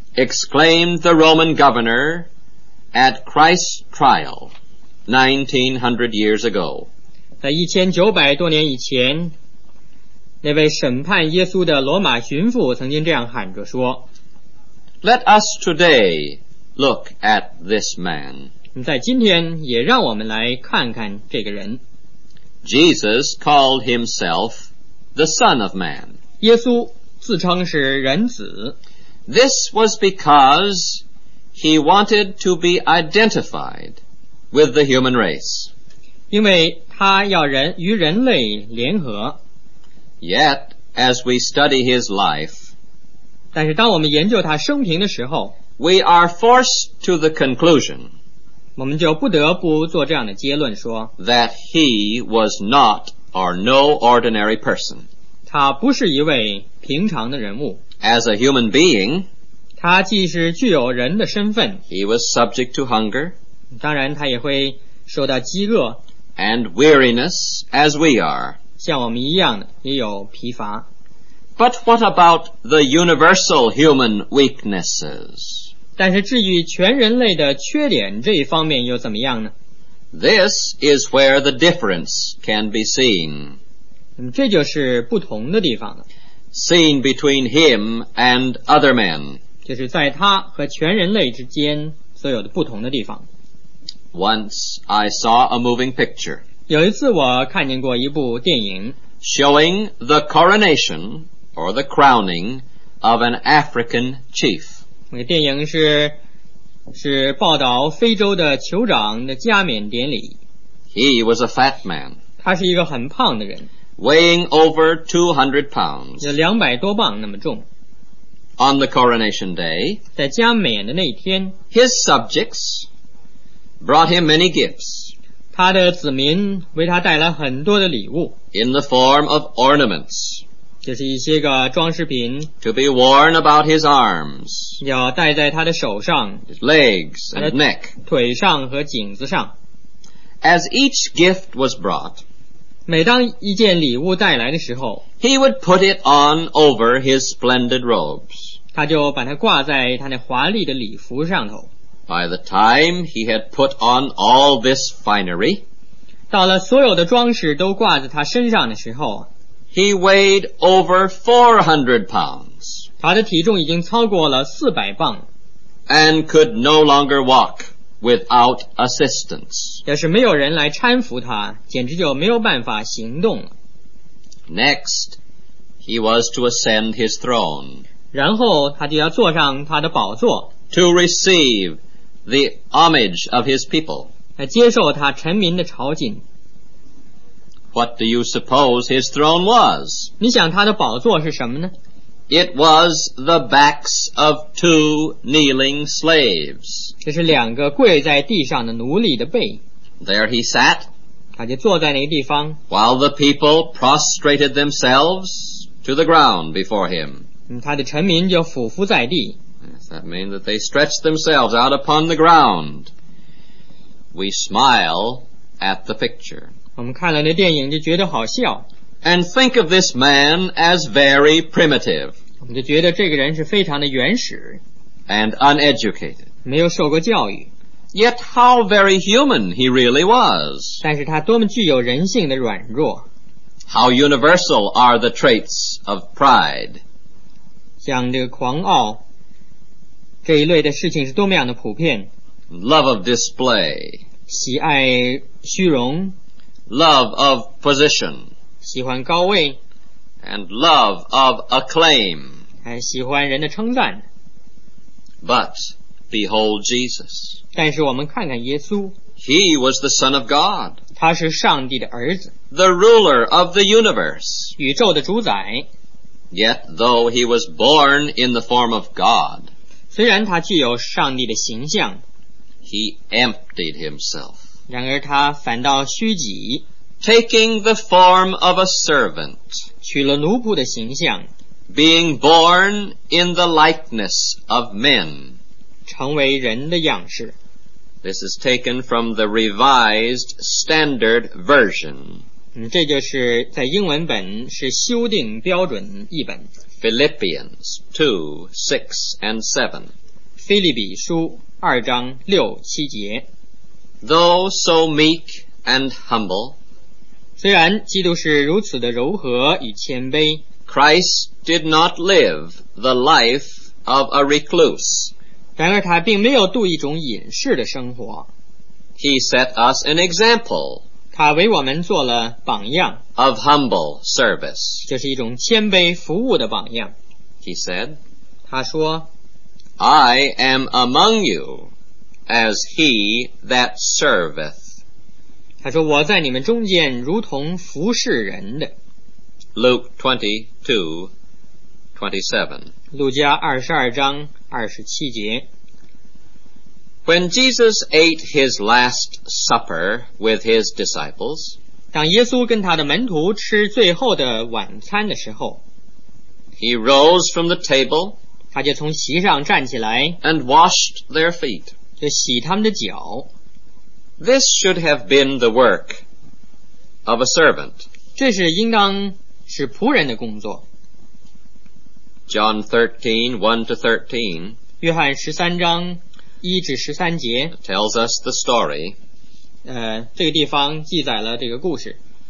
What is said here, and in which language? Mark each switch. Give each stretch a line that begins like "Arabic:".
English: exclaimed the Roman governor at Christ's trial 1900 years ago.
Chinese: 在1900多年以前，那位审判耶稣的罗马巡抚曾经这样喊着说，
English: Let us today look at this man.
Chinese: 在今天也让我们来看看这个人。
English: Jesus called himself the Son of Man.
Chinese: 耶稣自称是人子。
English: This was because he wanted to be identified with the human race.
Chinese: 因为他要人与人类联合。
English: Yet, as we study his life,
Chinese: 但是当我们研究他生平的时候，
English: we are forced to the conclusion,
Chinese: 我们就不得不做这样的结论说，
English: that he was not or no ordinary person.
Chinese: 他不是一位平常的人物。
English: As a human being,
Chinese: 他既是具有人的身份，
English: he was subject to hunger,
Chinese: 当然他也会受到饥饿，
English: and weariness as we are,
Chinese: 像我们一样也有疲乏。
English: But what about the universal human weaknesses?
Chinese: 但是至于全人类的缺点这一方面又怎么样呢？
English: This is where the difference can be seen.
Chinese: 这就是不同的地方了。
English: Seen between him and other men.
Chinese: 就是在他和全人类之间所有的不同的地方。
English: Once I saw a moving picture.
Chinese: 有一次我看见过一部电影。
English: Showing the coronation or the crowning of an African chief.
Chinese: 那个电影是报道非洲的酋长的加冕典礼。
English: He was a fat man.
Chinese: 他是一个很胖的人。
English: Weighing over 200 pounds.
Chinese: 有200多磅那么重。
English: On the coronation day,
Chinese: 在加冕的那天，
English: his subjects brought him many gifts.
Chinese: 他的子民为他带来很多的礼物。
English: In the form of ornaments.
Chinese: 就是一些个装饰品。
English: To be worn about his arms.
Chinese: 要戴在他的手上。
English: His legs and neck.
Chinese: 腿上和颈子上。
English: As each gift was brought,
Chinese: 每当一件礼物带来的时候，
English: He would put it on over his splendid robes.
Chinese: 他就把它挂在他那华丽的礼服上头。
English: By the time he had put on all this finery,
Chinese: 到了所有的装饰都挂在他身上的时候，
English: He weighed over 400 pounds.
Chinese: 他的体重已经超过了400磅。
English: And could no longer walk. Without assistance.
Chinese: 要是没有人来搀扶他，简直就没有办法行动了。
English: Next, he was to ascend his throne.
Chinese: 然后他就要坐上他的宝座。
English: To receive the homage of his people.
Chinese: 来接受他臣民的朝觐。
English: What do you suppose his throne was?
Chinese: 你想他的宝座是什么呢？
English: It was the backs of two kneeling slaves.
Chinese: 这是两个跪在地上的奴隶的背。
English: There he sat.
Chinese: 他就坐在那个地方。
English: While the people prostrated themselves to the ground before him.
Chinese: 他的臣民就俯伏在地。
English: That means that they stretched themselves out upon the ground. We smile at the picture.
Chinese: 我们看了那电影就觉得好笑。
English: And think of this man as very primitive.
Chinese: 我们就觉得这个人是非常的原始。
English: And uneducated.
Chinese: 没有受过教育。
English: Yet how very human he really was.
Chinese: 但是他多么具有人性的软弱。
English: How universal are the traits of pride.
Chinese: 像这个狂傲。这一类的事情是多么样的普遍。
English: Love of display.
Chinese: 喜爱虚荣。
English: Love of position.
Chinese: 喜欢高位。
English: And love of acclaim.
Chinese: 还喜欢人的称赞。
English: But behold Jesus.
Chinese: 但是我们看看耶稣。
English: He was the Son of God.
Chinese: 他是上帝的儿子。
English: The ruler of the universe.
Chinese: 宇宙的主宰。
English: Yet though he was born in the form of God.
Chinese: 虽然他具有上帝的形象
English: He emptied himself
Chinese: 然而他反倒虚己
English: Taking the form of a servant
Chinese: 取了奴仆的形象
English: Being born in the likeness of men
Chinese: 成为人的样式
English: This is taken from the Revised Standard Version
Chinese: 这就是在英文本是修订标准译本
English: Philippians 2:6 and 7.
Chinese: 腓立比书二章六七节
English: Though so meek and humble,
Chinese: 虽然基督是如此的柔和与谦卑
English: Christ did not live the life of a recluse.
Chinese: 然而他并没有度一种隐士的生活
English: He set us an example.
Chinese: 他为我们做了榜样。
English: Of humble service.
Chinese: 就是一种谦卑服务的榜样。
English: He said,
Chinese: 他说,
English: I am among you as he that serveth.
Chinese: 他说我在你们中间如同服侍人的。
English: Luke 22:27.
Chinese: 路加二十二章二十七节。
English: When Jesus ate his last supper with his disciples,
Chinese: 当耶稣跟他的门徒吃最后的晚餐的时候,
English: he rose from the table,
Chinese: 他就从席上站起来,
English: and washed their feet,
Chinese: 就洗他们的脚。
English: This should have been the work of a servant.
Chinese: 这是应当是仆人的工作。
English: John 13:1-13,
Chinese: 约翰十三章一至十三节
English: tells us the story.
Chinese: 这个地方记载了这个故事。